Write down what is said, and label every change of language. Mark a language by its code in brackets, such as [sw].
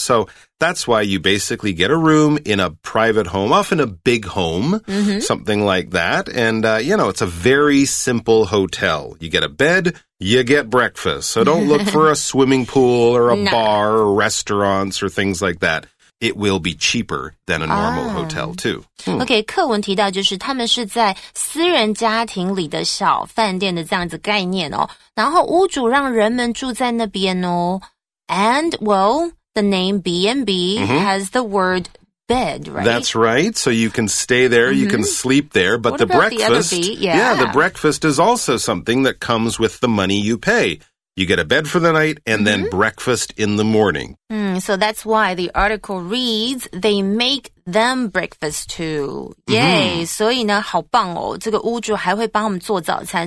[en] So that's why you basically get a room in a private home, often a big home, something like that. And, you know, it's a very simple hotel. You get a bed, you get breakfast. So don't look for a swimming pool or a bar or restaurants or things like that. It will be cheaper than a normal hotel, too. [zh] OK, 课文提到就是他们是在私人家庭里的小饭店的这样子概念哦。然后屋主让人们住在那边哦。 [en] And, well, the name B&B has the word bed, right? That's right. So you can stay there, you can sleep there. But the breakfast, the breakfast is also something that comes with the money you pay. You get a bed for the night and then breakfast in the morning. So that's why the article reads, they make them breakfast too. Yay! [zh] 所以呢好棒哦这个屋主还会帮我们做早餐。